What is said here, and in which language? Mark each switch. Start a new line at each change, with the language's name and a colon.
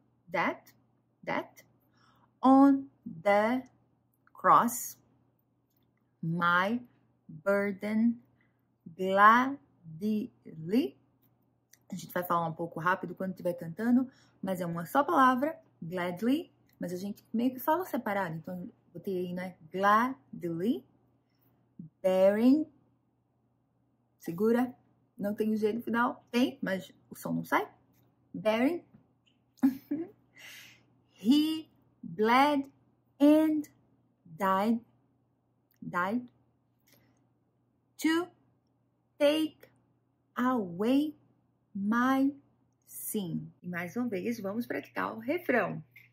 English: That on the cross, my burden gladly.
Portuguese: A gente vai falar um pouco rápido quando estiver cantando, mas é uma só palavra, gladly, mas a gente meio que fala separado, então botei aí, né? Gladly, bearing, segura, não tem o G no final, tem, mas o som não sai.
English: Bearing, he bled and died to take away my sin.
Portuguese: E mais uma vez, vamos praticar o refrão.